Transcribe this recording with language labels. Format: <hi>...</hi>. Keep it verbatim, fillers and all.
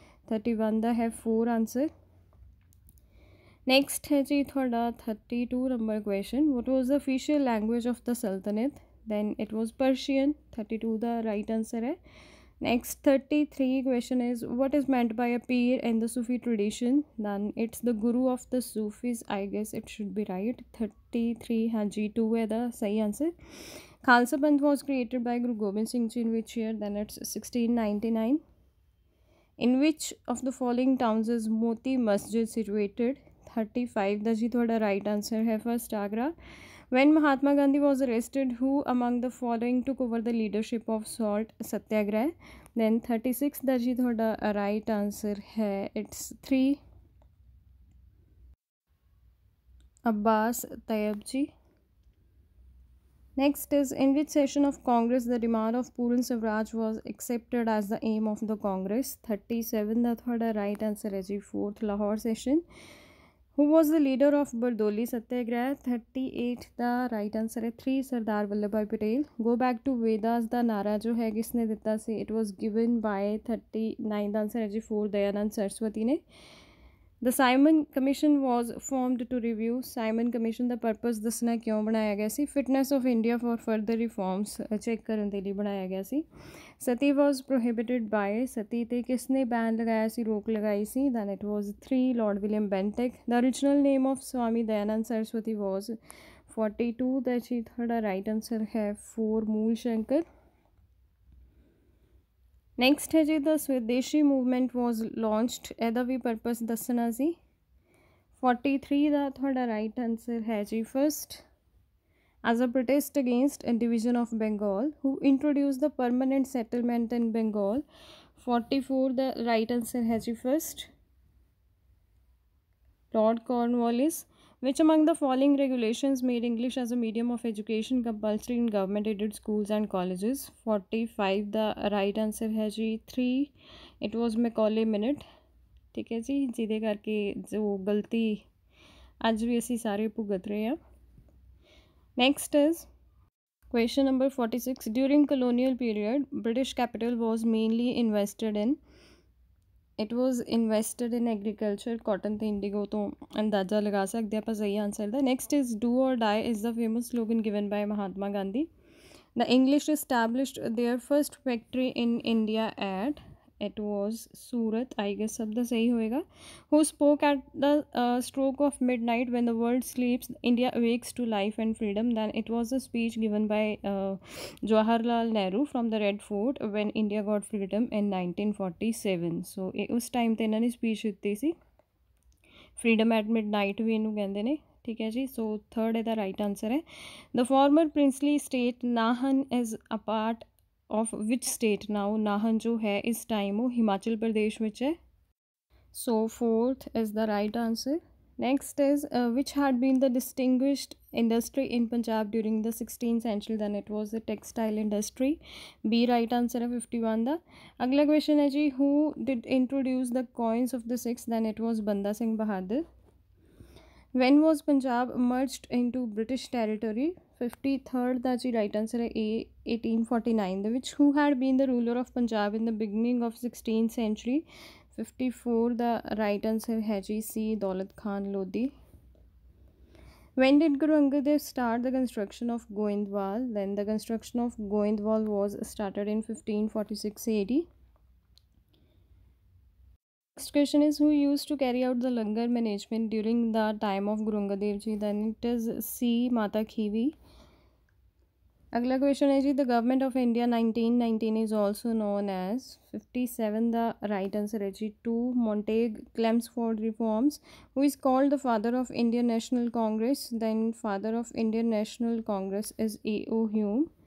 <en>thirty one ਦਾ ਹੈ four answer। next ਹੈ ਜੀ ਤੁਹਾਡਾ thirty two number question what was the official language of the sultanate? then it was Persian। thirty two ਦਾ right answer ਹੈ। next thirty three question is what is meant by a peer in the Sufi tradition? then it's the guru of the Sufis I guess it should be right।</en> <pa>thirty three ਹਾਂ ਜੀ two ਹੈ ਦਾ ਸਹੀ answer।</pa> <en>Khalsa Panth was created by Guru Gobind Singh Ji in which year? Then it's sixteen ninety nine। In which of the following towns is Moti Masjid situated? thirty five</en> <pa>ਦਾ ਜੀ ਤੁਹਾਡਾ</pa> <en>right answer ਹੈ first Agra। When Mahatma Gandhi was arrested, who among the following took over the leadership of Salt Satyagraha? Then thirty six ਦਾ ਜੀ ਤੁਹਾਡਾ right answer ਹੈ it's three Abbas Tayyab ji। next is in which session of congress the demand of Pooran Swaraj was accepted as the aim of the congress? thirty seven ਦਾ ਤੁਹਾਡਾ right answer ਹੈ ਜੀ fourth Lahore session। who was the leader of Bardoli satyagraha? thirty eight ਦਾ right answer ਹੈ three Sardar Vallabh Bhai Patel। go back to vedas</en> <pa>ਦਾ ਨਾਰਾ ਜੋ ਹੈ ਕਿਸਨੇ ਦਿੱਤਾ ਸੀ?</pa> <en>it was given by thirty nine ਦਾ answer ਹੈ ਜੀ four Dayanand Saraswati ਨੇ। the Simon commission was formed to review।</en> <pa>Simon commission ਦਾ purpose ਦੱਸਣਾ ਕਿਉਂ ਬਣਾਇਆ ਗਿਆ ਸੀ? Fitness of India</pa> <en>for further reforms</en> <pa>check ਕਰਨ ਦੇ ਲਈ ਬਣਾਇਆ ਗਿਆ ਸੀ। ਸਤੀ</pa> <en>was prohibited by</en> <pa>ਸਤੀ ਤੇ ਕਿਸਨੇ ਬੈਨ ਲਗਾਇਆ ਸੀ, ਰੋਕ ਲਗਾਈ ਸੀ?</pa> <en>then it was three Lord William Bentinck। the original name of swami Dayanand Saraswati was forty two</en> <pa>ਦਾ ਜੀ ਤੁਹਾਡਾ</pa> <en>right answer ਹੈ four Mool Shankar.</en> <pa>ਨੈਕਸਟ ਹੈ ਜੀ ਦਾ ਸਵਦੇਸ਼ੀ ਮੂਵਮੈਂਟ ਵਾਸ ਲਾਂਚਡ, ਇਹਦਾ ਵੀ ਪਰਪਸ ਦੱਸਣਾ ਸੀ।</pa> <en>Forty three ਦਾ ਤੁਹਾਡਾ right answer ਹੈ ਜੀ first as a protest against a division of Bengal. Who introduce the permanent settlement in Bengal? Forty four ਦਾ right answer ਹੈ ਜੀ first Lord Cornwallis। which among the following regulations made English as a medium of education compulsory in government aided schools and colleges? forty five the right answer है जी three it was Macaulay Minute।</en> <hi>ठीक है जी,</hi> <pa>ਜਿਹਦੇ ਕਰਕੇ जो गलती ਅੱਜ ਵੀ ਅਸੀਂ ਸਾਰੇ ਭੁਗਤ ਰਹੇ ਹਾਂ।</pa> <en>next is question number forty six during colonial period British capital was mainly invested in it was invested in agriculture।</en> <pa>cotton ਤੇ indigo ਤੋਂ ਅੰਦਾਜ਼ਾ ਲਗਾ ਸਕਦੇ ਹਾਂ ਆਪਾਂ ਸਹੀ answer ਦਾ।</pa> <en>next is do or die is the famous slogan given by Mahatma Gandhi। the english established their first factory in india at it was surat I guess</en> <pa>sab da sahi hoega।</pa> <en>who spoke at the uh, stroke of midnight when the world sleeps india awakes to life and freedom? then it was a speech given by uh, Jawaharlal Nehru from the red fort when india got freedom in nineteen forty seven।</en> <pa>so ਇਹ ਉਸ time ਤੇ ਇਹਨਾਂ ਨੇ speech ਦਿੱਤੀ ਸੀ,</pa> <en>freedom at midnight</en> <pa>ਵੀ ਇਹਨੂੰ ਕਹਿੰਦੇ ਨੇ। ਠੀਕ ਹੈ ਜੀ।</pa> <en>So third ਇਹਦਾ right answer ਹੈ। the former princely state nahan is apart of which state now?</en> <hi>Nahan जो है इस टाइम वो हिमाचल प्रदेश में है.</hi> <en>So, fourth is the right answer. Next is uh, which had been the distinguished industry in Punjab during the sixteenth century? Then it was the textile industry. B right answer है fifty-one ਦਾ.</en> <hi>अगला</hi> <en>question है जी who did introduce the coins of the six? Then it was Banda Singh Bahadur. When was Punjab merged into British territory? fifty-third ਦਾ ਜੀ right answer ਹੈ A eighteen forty-nine</en> <pa>ਦੇ ਵਿੱਚ.</pa> <en>Who had been the ruler of Punjab in the beginning of sixteenth century? fifty-four ਦਾ right answer ਹੈ ਜੀ C Daulat Khan Lodhi. When did Guru Angad Dev start the construction of Goindwal? Then the construction of Goindwal was started in fifteen forty-six A D. Next question is who used to carry out the langar management during the time of Guru Angad Dev ji? Then it is C Mata Khivi. अगला question है जी the government of India nineteen nineteen is also known as fifty seven the right answer है जी two Montagu Chelmsford reforms who is called the father of Indian National Congress then father of Indian National Congress is A O Hume</en>